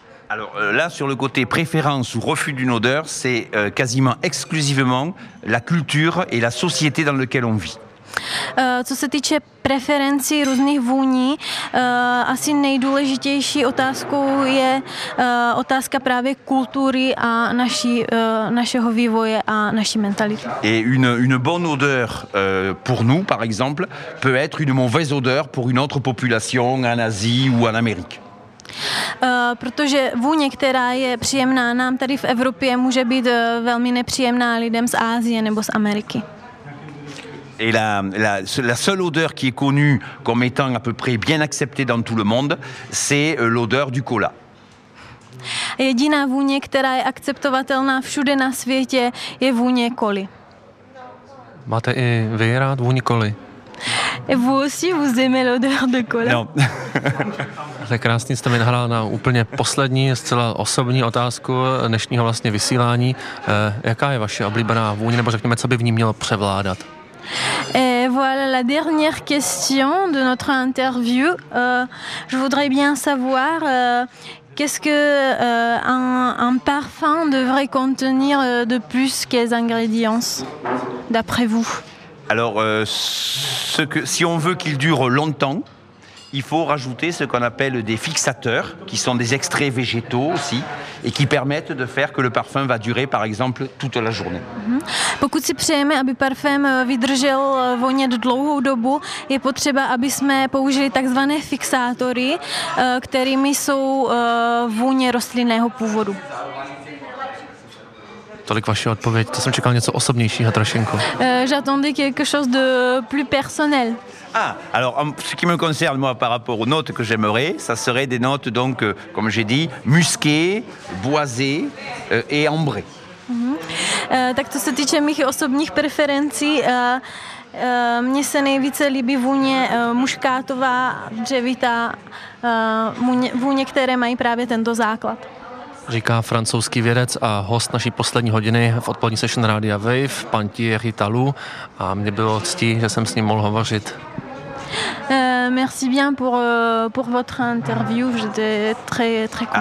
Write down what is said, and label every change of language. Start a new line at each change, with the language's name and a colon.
French: Alors là, sur le côté préférence ou refus d'une odeur, c'est quasiment exclusivement la culture et la société dans laquelle on vit.
Czech: Co se týče preferencí různých vůní, asi nejdůležitější otázkou je otázka právě kultury a našeho vývoje a naší mentality.
French: Et une bonne odeur pour nous, par exemple, peut être une mauvaise odeur pour une autre population en Asie ou en Amérique.
Czech: Protože vůně, která je příjemná nám tady v Evropě, může být velmi nepříjemná lidem z Asie nebo z Ameriky.
French: Et la seule odeur qui est connue comme étant à peu près bien acceptée dans tout le monde, c'est l'odeur du cola.
Czech: Jediná vůně, která je akceptovatelná všude na světě, je vůně koly. Máte i vy rád vůni koly?
French: Vous aussi vous aimez l'odeur de cola? Non.
Czech: To je krásný, jste mi nahrál na úplně poslední, zcela osobní otázku dnešního vlastně vysílání. Jaká je vaše oblíbená vůně, nebo řekněme, co by v ní mělo převládat?
French: Et voilà la dernière question de notre interview. Je voudrais bien savoir qu'est-ce que un parfum devrait contenir de plus, quels ingrédients d'après vous? Alors si on veut qu'il dure longtemps, il faut rajouter ce qu'on appelle des fixateurs, qui sont des extraits végétaux aussi, et qui permettent de faire que le parfum va durer, par exemple, toute la journée.
Czech: Pokud si přejeme, aby parfém vydržel vonět dlouhou dobu, je potřeba, aby jsme použili takzvané fixátory, kterými jsou vůně rostlinného původu. Tolik vaše odpověď, to jsem čekal něco osobnějšího trošinku.
French: J'attendais quelque chose de plus personnel. Ah, alors en ce qui me concerne moi par rapport aux notes que j'aimerais, ça serait des notes donc comme j'ai dit, musquées, boisées et ambrées.
Czech: Tak to se týče mých osobních preferencí, mně se nejvíce líbí vůně muškátová, dřevitá, vůně, které mají právě tento základ. Říká francouzský vědec a host naší poslední hodiny v odpolední session Rádia Wave, pan Thierry Talou, a mě bylo ctí, že jsem s ním mohl hovořit.
French: Merci bien pour votre interview, j'étais très, très content.